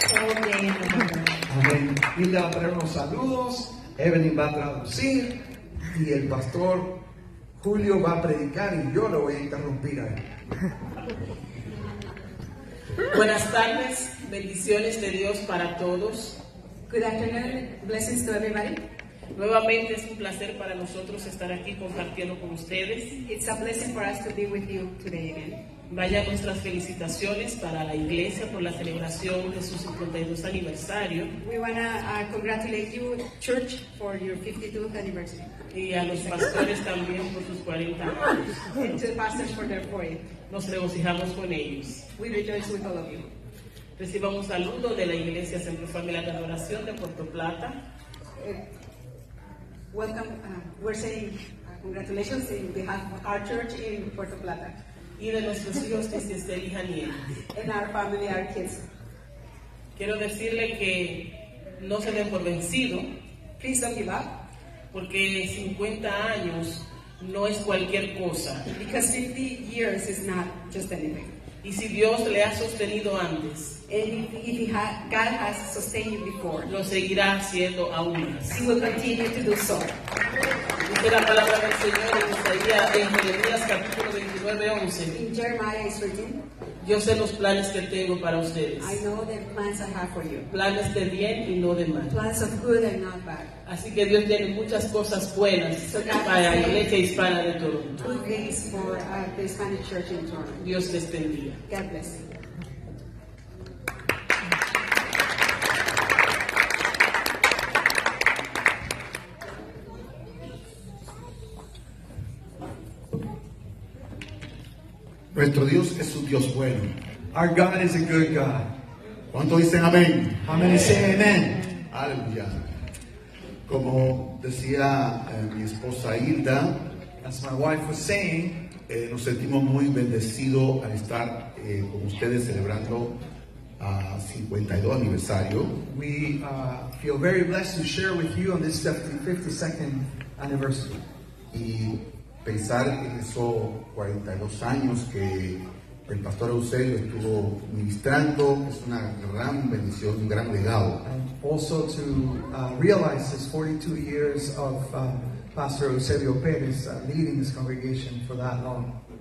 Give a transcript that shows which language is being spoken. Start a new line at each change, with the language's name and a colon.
Spanish: Amén. Hilda va a traer unos saludos, Evelyn va a traducir y el pastor Julio va a predicar y yo lo voy a interrumpir a él. Buenas tardes, bendiciones de Dios para todos.
English: Good afternoon, blessings to everybody.
Spanish: Nuevamente es un placer para nosotros estar aquí compartiendo con ustedes.
English: It's a blessing for us to be with you today again.
Spanish: Vaya nuestras felicitaciones para la iglesia por la celebración de su 52 aniversario.
English: We wanna congratulate you, church, for your 52th anniversary.
Spanish: Y a los pastores también por sus 40 años.
English: And to the pastors for their 40.
Spanish: Nos regocijamos con ellos.
English: We rejoice with all of you.
Spanish: Reciba un saludo de la iglesia Centro Familiar de Adoración de Puerto Plata.
English: Welcome, we're saying congratulations in behalf of our church in Puerto Plata.
Spanish: Y de nuestros hijos que se estén hijaniendo.
English: And our family, our kids.
Spanish: Quiero decirle que no se den por vencido.
English: Please don't give up.
Spanish: Porque 50 años no es cualquier cosa.
English: Because 50 years is not just anything.
Spanish: Y si Dios le ha sostenido antes,
English: God has sustained you before,
Spanish: lo seguirá haciendo aún más.
English: He will continue to do so.
Spanish: Dice la palabra del Señor en Isaías, en Jeremías capítulo 29:11.
English: In Jeremiah is written,
Spanish: yo sé los planes que tengo para ustedes.
English: I know the plans I have for you.
Spanish: Planes de bien y no de mal.
English: Plans of good and not bad.
Spanish: Así que Dios tiene muchas cosas buenas para la iglesia hispana de Toronto.
English: Good things for the Hispanic church in Toronto.
Spanish: Dios les bendiga.
English: God bless you.
Spanish: Nuestro Dios es un Dios bueno.
English: Our God is a good God.
Spanish: ¿Cuánto dicen amén?
English: How many say amen?
Spanish: Aleluya. Como decía mi esposa Hilda,
English: as my wife was saying,
Spanish: nos sentimos muy bendecidos al estar con ustedes celebrando a 52 aniversario.
English: We feel very blessed to share with you on this 52nd anniversary.
Spanish: Y pensar en esos 42 años que el pastor Eusebio estuvo ministrando es una gran bendición, un gran legado.
English: And also to realize his 42 years of Pastor Eusebio Pérez leading this congregation for that long.